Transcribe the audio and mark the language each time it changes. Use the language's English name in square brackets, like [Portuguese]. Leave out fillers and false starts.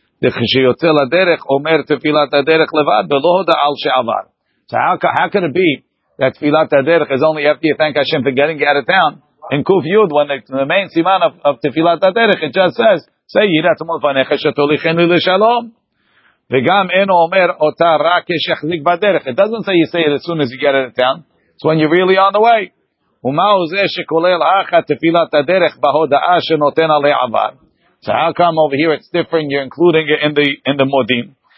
[Hebrew] וכשיוצא לדרך, אומר תפילת הדרך לבד, ולא הודעה על שעבר. [English] So how can it be that תפילת הדרך is only after you thank Hashem for getting out of town? In Kuf Yud, when the main סימן of תפילת הדרך, it just says, say, [Hebrew] יראת מול פניך שתוליכני לשלום. וגם אינו אומר אותה רק כשחזיק בדרך. [English] It doesn't say you say it as soon as you get out of town. It's when you're really on the way. [Hebrew] ומהו זה שכולל אחת תפילת הדרך בהודעה שנותן עלי עבר? [English] So how come over here it's different, you're including it in the modim?